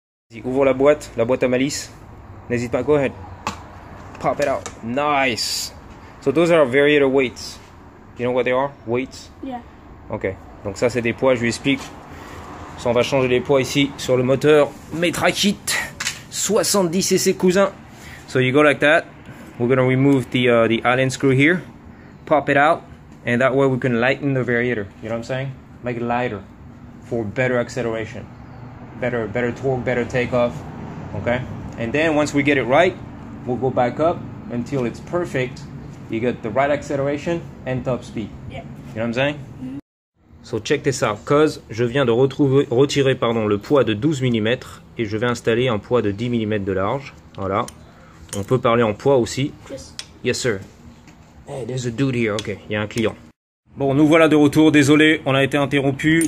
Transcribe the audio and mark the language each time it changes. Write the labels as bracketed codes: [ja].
[fr] Vas-y, ouvre la boîte à malice. N'hésite pas, [en] go ahead. Pop it out. Nice. So those are varied weights. You know what they are? Weights? Yeah. Ok. [fr] Donc ça, c'est des poids, je lui explique. Ça, on va changer les poids ici sur le moteur Metra Kit 70 CC, cousin. [en] So you go like that. We're going to remove the Allen screw here. Pop it out. And that way, we can lighten the variator. You know what I'm saying? Make it lighter for better acceleration. Better torque, better takeoff. Ok. And then, once we get it right, we'll go back up until it's perfect. You got the right acceleration and top speed. Yeah. You know what I'm saying? Mm-hmm. So check this out. [fr] Cause je viens de retirer le poids de 12 mm et je vais installer un poids de 10 mm de large. Voilà. On peut parler en poids aussi. Chris. [en] Yes, sir. Hey, there's a dude here. Okay. [fr] Il y a un client. Bon, nous voilà de retour. Désolé, on a été interrompu.